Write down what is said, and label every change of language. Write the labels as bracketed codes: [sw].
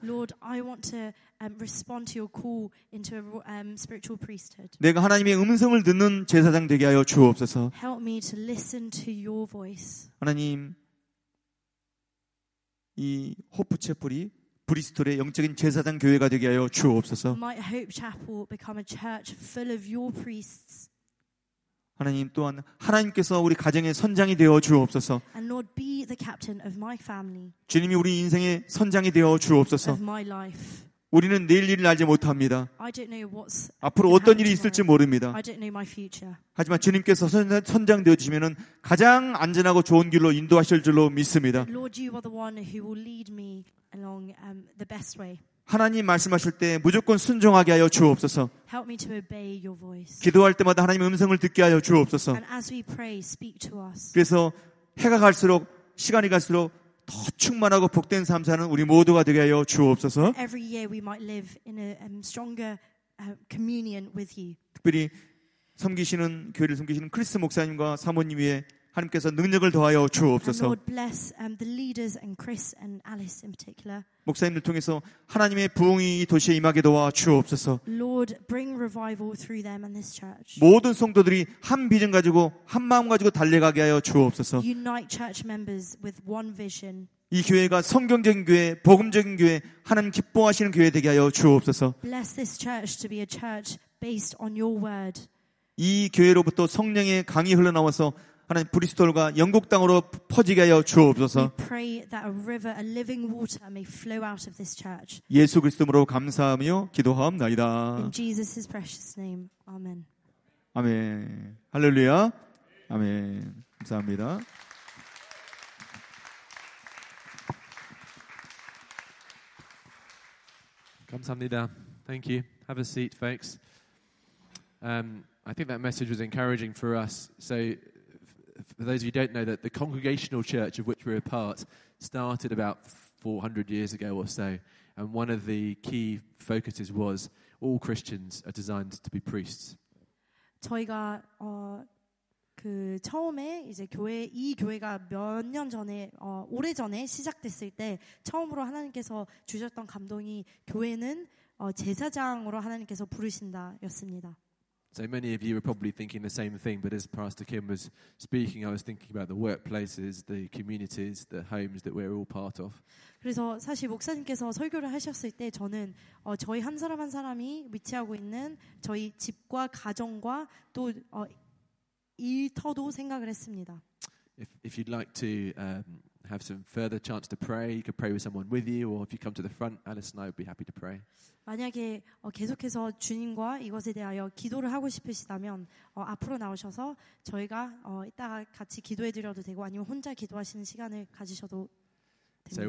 [en] Lord, I want to respond to your call into spiritual priesthood. [ko] 내가 하나님의 음성을 듣는 제사장 되게 하여 주옵소서. [en] Help me to listen to your voice. [ko] 하나님, 이 호프채플이 브리스톨의 영적인 제사장 교회가 되게 하여 주옵소서. [en] My Hope Chapel become a church full of your priests. [ko] 하나님 또한 하나님께서 우리 가정의 선장이 되어 주옵소서. [en] And Lord, be the captain of my family. [ko] 주님이 우리 인생의 선장이 되어 주옵소서. [en] Of my life. [ko] 우리는 내일 일을 알지 못합니다. [en] I don't know what's [ko] 앞으로 어떤 일이 있을지 모릅니다. [en] I don't know my future. [ko] 하지만 주님께서 선장되어 주시면 가장 안전하고 좋은 길로 인도하실 줄로 믿습니다. [en] Lord, you are the one who will lead me along the best way. [ko] 하나님 말씀하실 때 무조건 순종하게 하여 주옵소서. [en] Help me to obey your voice. [ko] 기도할 때마다 하나님의 음성을 듣게 하여 주옵소서. [en] And as we pray, speak to us. [ko] 그래서 해가 갈수록 시간이 갈수록 더 충만하고 복된 삶 사는 우리 모두가 되게 하여 주옵소서. [en] Every year we might live in a stronger communion with you. [ko] 특별히 섬기시는 교회를 섬기시는 크리스 목사님과 사모님 위해 하나님께서 능력을 더하여 주옵소서. [en] And Lord bless the leaders and Chris and Alice in particular. [ko] 목사님들 통해서 하나님의 부흥이 이 도시에 임하게 도와 주옵소서. [en] Lord bring revival through them and this church. [ko] 모든 성도들이 한 비전 가지고 한 마음 가지고 달려가게 하여 주옵소서. [en] Unite church members with one vision. [ko] 이 교회가 성경적인 교회, 복음적인 교회, 하나님 기뻐하시는 교회 되게 하여 주옵소서. [en] Bless this church to be a church based on your word. [ko] 이 교회로부터 성령의 강이 흘러나와서 하나님 브리스톨과 영국 땅으로 퍼지게 하여 주옵소서. [en] We pray that a river, a living water may flow out of this church. [ko] 예수 그리스도로 감사하며 기도하옵나이다. [en] In Jesus' precious name. Amen. [ko] 아멘. 할렐루야. 아멘. 감사합니다. 감사합니다. [en] Thank you. Have a seat, folks. I think that message was encouraging for us. So for those of you who don't know, that the Congregational Church of which we're a part started about 400 years ago or so, and one of the key focuses was all Christians are designed to be priests. [ko] 저희가 그 처음에 이제 교회 이 교회가 몇 년 전에 오래 전에 시작됐을 때 처음으로 하나님께서 주셨던 감동이 교회는 제사장으로 하나님께서 부르신다였습니다. [en] So many of you are probably thinking the same thing, but as Pastor Kim was speaking, I was thinking about the workplaces, the communities, the homes that we're all part of. [ko] 그래서 사실 목사님께서 설교를 하셨을 때 저는 저희 한 사람 한 사람이 위치하고 있는 저희 집과 가정과 또 일터도 생각을 했습니다. [en] If you'd like to have some further chance to pray, you could pray with someone with you, or if you come to the front, Alice and I would be happy to pray. [ko] 만약에 계속해서 주님과 이것에 대하여 기도를 하고 싶으시다면 앞으로 나오셔서 저희가 이따가 같이 기도해 드려도 되고 아니면 혼자 기도하시는 시간을 가지셔도 됩니다.